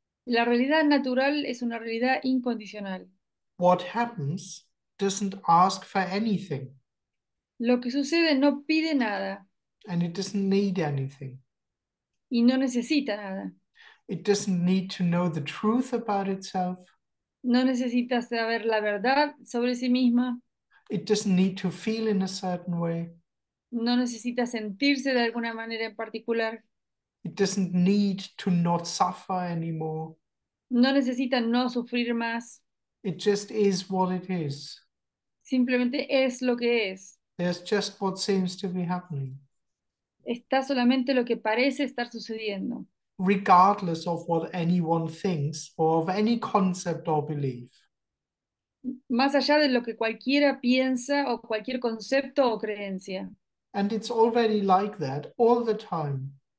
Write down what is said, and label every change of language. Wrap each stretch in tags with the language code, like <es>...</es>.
<es>La realidad natural es una realidad incondicional.</es> <en>What happens doesn't ask for anything.</en> <es>Lo que sucede no pide nada.</es> <en>And it doesn't need anything.</en> <es>Y no necesita nada.</es> <en>It doesn't need to know the truth about itself.</en> <es>No necesita saber la verdad sobre sí misma.</es> <en>It doesn't need to feel in a certain way.</en> <es>No necesita sentirse de alguna manera en particular.</es> <en>It doesn't need to not suffer anymore.</en> <es>No necesita no sufrir más.</es> <en>It just is what it is.</en> <es>Simplemente es lo que es.</es> <en>There's just what seems to be happening.</en> <es>Está solamente lo que parece estar sucediendo.</es> <en>regardless of what anyone thinks or of any concept or belief.</en> <es>Más allá de lo que cualquiera piensa o cualquier concepto o creencia.</es> <en>And it's already like that all the time.</en>